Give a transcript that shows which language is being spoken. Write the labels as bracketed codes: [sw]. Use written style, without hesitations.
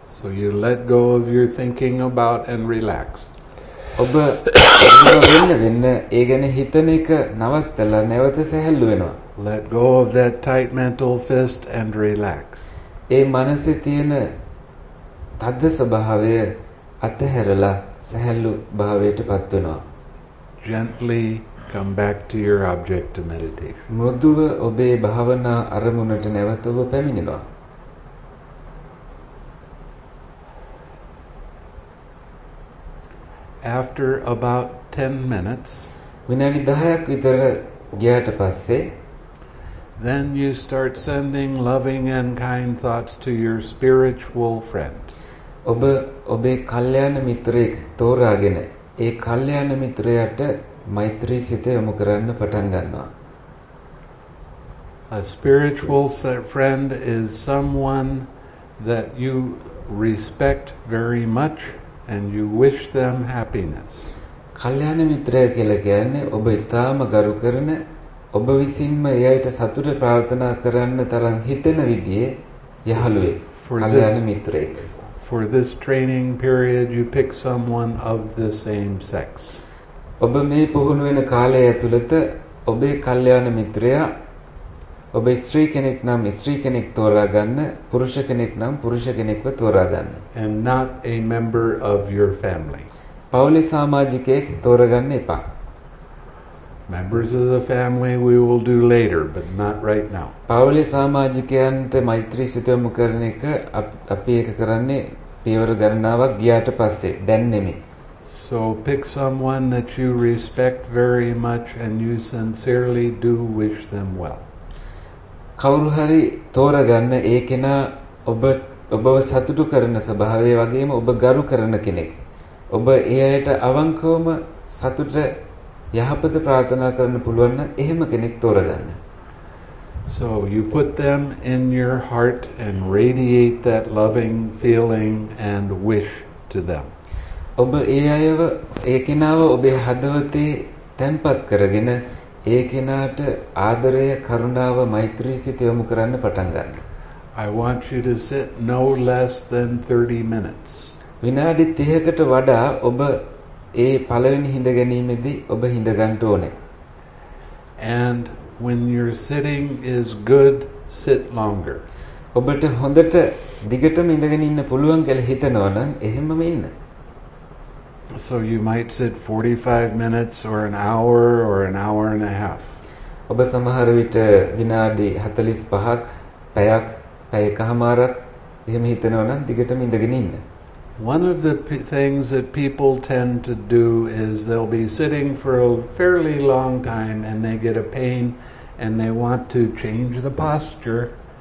[en] So you let go of your thinking about and relax. [si] ඔබ වෙන වෙන ඒ ගැන හිතන එක නවත්තලා නැවත සැහැල්ලු වෙනවා. [en] Let go of that tight mental fist and relax. [si] ඒ මනසේ තියෙන තද ස්වභාවය අතහැරලා සැහැල්ලු භාවයට පත් වෙනවා. [en] Gently come back to your object of meditation. [si] මොදුව ඔබේ භාවනා අරමුණට නැවත ඔබ පැමිණෙනවා. [en] After about 10 minutes, [si] විනාඩි 10ක් විතර ගියාට පස්සේ [en] then you start sending loving and kind thoughts to your spiritual friends. [si] ඔබ ඔබේ කල්යාණ මිත්‍රයෙක් තෝරාගෙන ඒ කල්යාණ මිත්‍රයාට මෛත්‍රී සිත යොමු කරන්න පටන් ගන්නවා. [en] A spiritual friend is someone that you respect very much and you wish them happiness. [si] කල්‍යාණ මිත්‍රය කියලා කියන්නේ ඔබ ඉතාම ගරු කරන ඔබ විසින්ම එයට සතුට ප්‍රාර්ථනා කරන්න තරම් හිතෙන විදිහේ යහළුවෙක්. කල්‍යාණ මිත්‍රයෙක්. [en] For this training period, you pick someone of the same sex. [si] ඔබ මේ පුහුණු වෙන කාලය ඇතුළත ඔබේ කල්‍යාණ මිත්‍රයා ඔබ ස්ත්‍රී කෙනෙක් නම් ස්ත්‍රී කෙනෙක් තෝරා ගන්න පුරුෂ කෙනෙක් නම් පුරුෂ කෙනෙක්ව තෝරා ගන්න. [en] And not a member of your family. [si] පවුලි සමාජිකයෙක් තෝරා ගන්න එපා. [en] Members of the family we will do later, but not right now. [si] පවුලි සමාජිකයන්ට මෛත්‍රී සිත යොමු කරන එක අපි ඒක කරන්නේ පියවර ගණනාවක් ගියාට පස්සේ දැන් නෙමෙයි. [en] So pick someone that you respect very much and you sincerely do wish them well. [si] කවුරු හරි තෝරා ගන්න ඒ කෙනා ඔබව සතුටු කරන ස්වභාවය වගේම ඔබ ගරු කරන කෙනෙක්. ඔබ ඒ අයට අවංකවම සතුට යහපත ප්‍රාර්ථනා කරන්න පුළුවන් නම් එහෙම කෙනෙක් තෝරා ගන්න. [en] So you put them in your heart and radiate that loving feeling and wish to them. [si] ඔබ ඒ අයව ඒ කෙනාව ඔබේ හදවතේ තැන්පත් කරගෙන ඒ කෙනාට ආදරය කරුණාව මෛත්‍රී සිත යොමු කරන්න පටන් ගන්න. [en] I want you to sit no less than 30 minutes. [si] විනාඩි 30කට වඩා ඔබ ඒ පළවෙනි හිඳ ගැනීමේදී ඔබ හිඳ ගන්න ඕනේ. [en] And when your sitting is good, sit longer. [si] ඔබට හොඳට දිගටම ඉඳගෙන ඉන්න පුළුවන් කියලා හිතනවා නම් එහෙමම ඉන්න. [en] So you might sit 45 minutes or an hour or an hour and a half. [si] ඔබ සමහර විට විනාඩි 45ක් පැයක් පැයකමාරක් එහෙම හිතනවා නම් දිගටම ඉඳගෙන ඉන්න. [en] One of the things that people tend to do is they'll be sitting for a fairly long time and they get a pain and they want to change the posture.